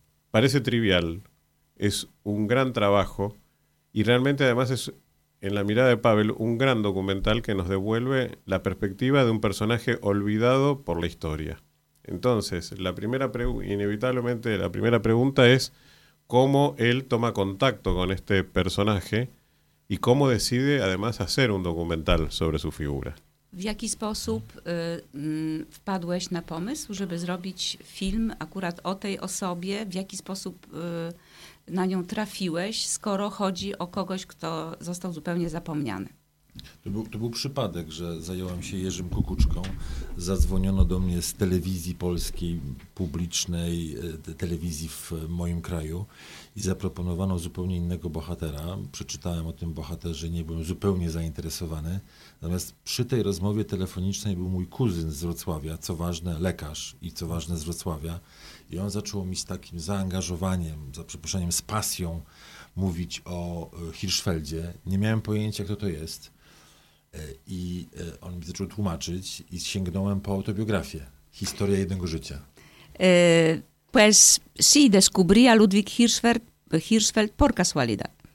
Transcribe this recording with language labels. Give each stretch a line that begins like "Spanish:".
Spanish: Parece trivial, es un gran trabajo y realmente además es, en la mirada de Pavel, un gran documental que nos devuelve la perspectiva de un personaje olvidado por la historia. Entonces, la primera pregunta es cómo él toma contacto con este personaje y cómo decide además hacer un documental sobre su figura.
Polish: W jaki sposób wpadłeś na pomysł, żeby zrobić film akurat o tej osobie? W jaki sposób na nią trafiłeś, skoro chodzi o kogoś, kto został zupełnie zapomniany? To był przypadek, że zająłem się Jerzym Kukuczką. Zadzwoniono do mnie z telewizji polskiej, publicznej telewizji w moim kraju i zaproponowano zupełnie innego bohatera. Przeczytałem o tym bohaterze, nie byłem zupełnie zainteresowany. Natomiast przy tej rozmowie telefonicznej był mój kuzyn z Wrocławia, co ważne lekarz i co ważne z Wrocławia. I on zaczął mi z takim zaangażowaniem, za przeproszeniem, z pasją mówić o Hirschfeldzie. Nie miałem pojęcia, kto to jest. I on mi zaczął tłumaczyć i sięgnąłem po autobiografię, historię jednego życia.
Spanish: Pues sí, descubrí a Ludwig Hirschfeld por casualidad.